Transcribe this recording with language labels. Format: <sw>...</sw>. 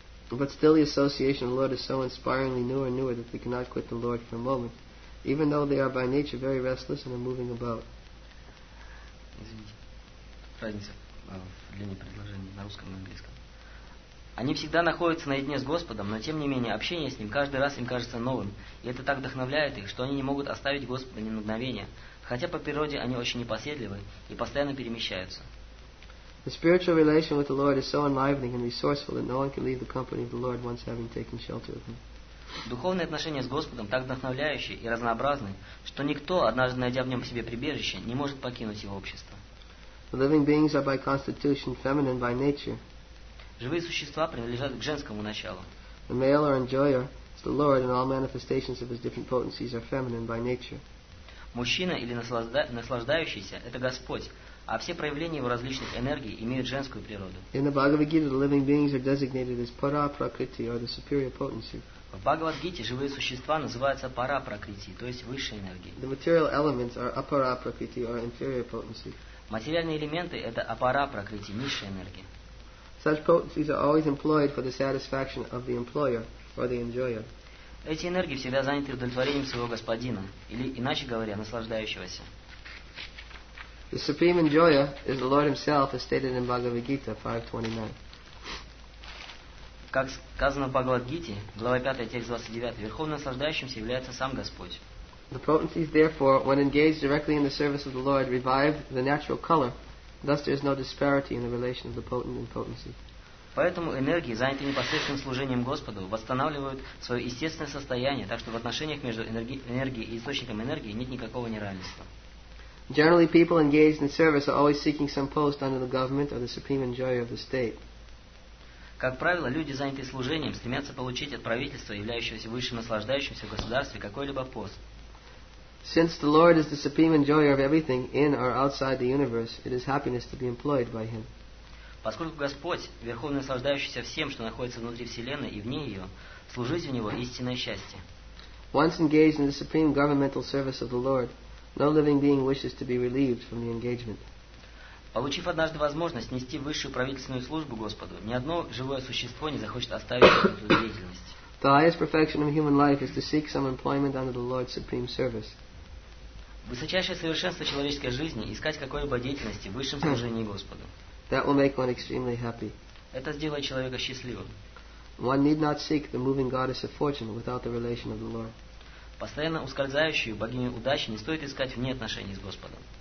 <en>But still the association of the Lord is so inspiringly newer and newer that they cannot quit the Lord for a moment, even though they are by nature very restless and are moving about.</en> <ru>Извините. Разница в длине предложений на русском и английском. Они всегда находятся наедине с Господом, но тем не менее общение с Ним каждый раз им кажется новым, и это так вдохновляет их, что они не могут оставить Господа ни на мгновение, хотя по природе они очень непоседливы и постоянно перемещаются.</ru> <en>The spiritual relation with the Lord is so enlivening and resourceful that no one can leave the company of the Lord once having taken shelter of Him.</en> <ru>Духовные отношения с Господом так вдохновляющие и разнообразны, что никто, однажды найдя в нем себе прибежище, не может покинуть его общество.</ru> <en>Living beings are by constitution feminine by nature.</en> <ru>Живые существа принадлежат к женскому началу.</ru> <en>The male or enjoyer is the Lord, and all manifestations of his different potencies are feminine by nature.</en> <ru>Мужчина или наслаждающийся – это Господь, а все проявления его различных энергий имеют женскую природу.</ru> <en>In the Bhagavad Gita, the living beings are designated as para prakriti or the superior potency.</en> <ru>В Бхагавад-гите живые существа называются пара-пракрити, то есть высшей энергией.</ru> <en>The material elements are апара-пракрити, or inferior potency.</en> <ru>Материальные элементы – это апара-пракрити, низшая энергия.</ru> <en>Such potencies are always employed for the satisfaction of the employer or the enjoyer.</en> <ru>Эти энергии всегда заняты удовлетворением своего господина, или, иначе говоря, наслаждающегося.</ru> <en>The supreme enjoyer is the Lord Himself, as stated in Bhagavad-gita 5.29.</en> <ru>Как сказано в Бхагавад-гите, глава 5, текст 29, верховным наслаждающимся является сам Господь.</ru> <en>The potencies, therefore, when engaged directly in the service of the Lord, revive the natural color. Thus, there is no disparity in the relation of the potent and potency.</en> <ru>Поэтому энергии, занятые непосредственным служением Господу, восстанавливают свое естественное состояние, так что в отношениях между энергией и источником энергии нет никакого неравенства.</ru> <en>Generally, people engaged in service are always seeking some post under the government or the supreme enjoyer of the state.</en> <ru>Как правило, люди, занятые служением, стремятся получить от правительства, являющегося высшим наслаждающимся в государстве, какой-либо пост.</ru> <en>Since the Lord is the supreme enjoyer of everything in or outside the universe, it is happiness to be employed by Him.</en> <ru>Поскольку Господь, верховный наслаждающийся всем, что находится внутри Вселенной и вне ее, служить у Него – истинное счастье.</ru> <en>Once engaged in the supreme governmental service of the Lord, no living being wishes to be relieved from the engagement.</en> <ru>Получив однажды возможность нести высшую правительственную службу Господу, ни одно живое существо не захочет оставить эту деятельность.</ru> <en>The highest perfection of human life is to seek some employment under the Lord's supreme service.</en> <ru>Высочайшее совершенство человеческой жизни – искать какой-либо деятельности в высшем служении Господу.</ru> <en>That will make one extremely happy.</en> <ru>Это сделает человека счастливым.</ru> <en>One need not seek the moving goddess of fortune without the relation of the Lord.</en> <ru>Постоянно ускользающую богиню удачи не стоит искать вне отношений с Господом.</ru>